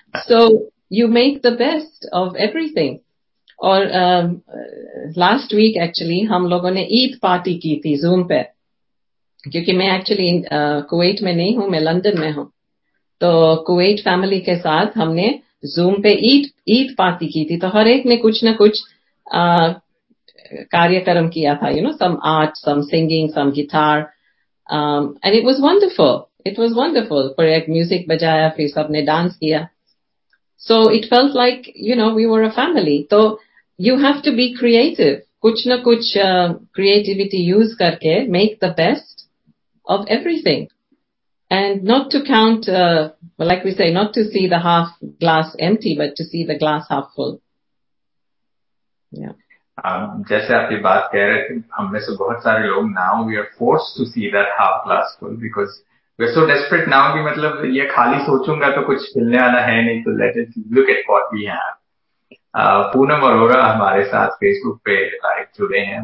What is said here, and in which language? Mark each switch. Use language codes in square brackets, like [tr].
[en] So you make the best of everything. [hi] और last week actually हम लोगों ने ईद पार्टी की थी जूम पे, क्योंकि मैं एक्चुअली कुवैत में नहीं हूं, मैं लंदन में हूं, तो कुवैत फैमिली के साथ हमने जूम पे ईद पार्टी की थी। तो हर एक ने कुछ ना कुछ कार्यक्रम किया था, [en] You know some art, some singing, some guitar, and it was wonderful. [hi] पर एक म्यूजिक बजाया, फिर सबने डांस किया, [en] So it felt like you know we were a family. तो you have to be creative, [hi] कुछ ना कुछ क्रिएटिविटी यूज करके [en] Make the best of everything. And not to count, like we say, not to see the half glass empty, but to see the glass half full. [hi] जैसे आप ये बात कह रहे थे, हम में से बहुत सारे लोग [en] now we are forced to see that half glass full because we are so desperate now [hi] कि मतलब ये खाली सोचूंगा तो कुछ मिलने वाला है नहीं, तो [en] Let it look at what we have. [hi] Poonam Arora हमारे साथ फेसबुक पे लाइव जुड़े हैं.